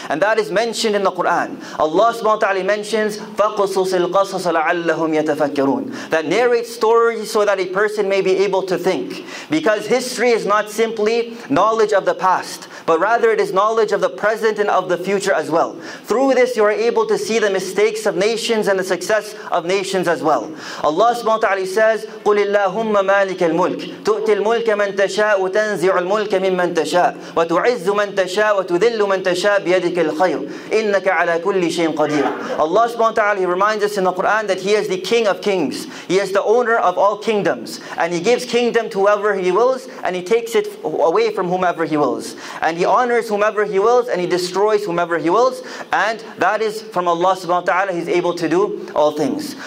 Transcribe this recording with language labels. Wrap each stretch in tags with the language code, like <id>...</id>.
<en>And that is mentioned in the Quran. Allah subhanahu wa ta'ala mentions,</en> <ar>فَقُصُصِ الْقَصَصَ لَعَلَّهُمْ يَتَفَكَّرُونَ.</ar> <en>That narrates stories so that a person may be able to think. Because history is not simply knowledge of the past, but rather it is knowledge of the present and of the future as well. Through this, you are able to see the mistakes of nations and the success of nations as well. Allah subhanahu wa ta'ala says,</en> <ar>قُلِ اللَّهُمَّ مَالِكَ الْمُلْكِ تُؤْتِي الْمُلْكَ مَنْ تَشَاءُ وَتَنْزِعُ الْمُلْكَ مِمَّنْ تَشَاءُ وَتُعِزُّ مَنْ تَشَاءُ وَتُذِلُّ مَنْ تَشَاءُ بِيَدِكَ الْخَيْرُ إِنَّكَ عَلَى كُلِّ شَيْءٍ قَدِيرٌ.</ar> <en>Allah subhanahu wa ta'ala, He reminds us in the Quran that He is the King of Kings. He is the owner of all kingdoms. And He gives kingdom to whoever He wills, and He takes it away from whomever He wills. And He honors whomever He wills, and He destroys whomever He wills. And that is from Allah subhanahu wa ta'ala, He's able to do all things.</en>